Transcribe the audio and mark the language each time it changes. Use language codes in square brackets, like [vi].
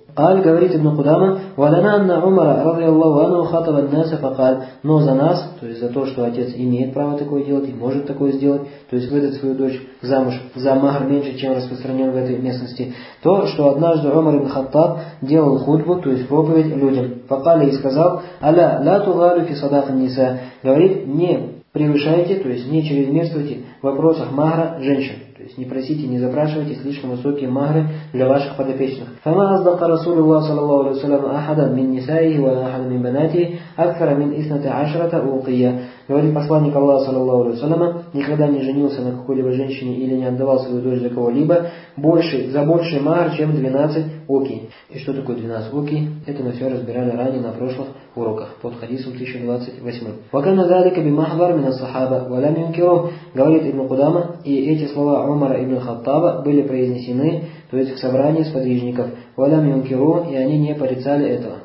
[ar] قال [ru] говорит [ar] ابن قدامة ولنا أن عمر رضي الله عنه خاطب الناس فقال [ru] но за нас, то есть за то, что отец имеет право такое делать и может такое сделать, то есть выдать свою дочь замуж за махр меньше, чем распространен в этой местности, то, что однажды Умар ибн Хаттаб делал хутбу, то есть проповедь людям, [ar] فقال [ru] и сказал аля [ar] لا تغالوا في صداق النساء, [ru] говорит, не превышайте, то есть не чрезмерствуйте в вопросах махра женщин. То есть не просите, не запрашивайте слишком высокие махры для ваших подопечных. [ar] فما أصدق رسول الله صلى الله عليه وسلم أحدا من نسائه ولا أحدا من بناته أكثر من 12 أوقية. [ru] Говорит посланник Аллаха, саллаллаху алейхи ва саллям, никогда не женился на какой-либо женщине или не отдавал свою дочь за кого-либо больше, за больший махр, чем 12 оки. И что такое 12 оки? Это мы все разбирали ранее на прошлых уроках под хадисом 1028. [ar] وَكَنَ ذَلِكَ بِمَحْضَرْ مِنَ الصَّحَابَ وَلَمْ يُنْكِرُهُ, [ru] говорит ибн Кудама, и эти слова Умара ибн Хаттаба были произнесены, то есть в собрании сподвижников, [ar] وَلَمْ يُنْكِرُهُ, [ru] и они не порицали этого.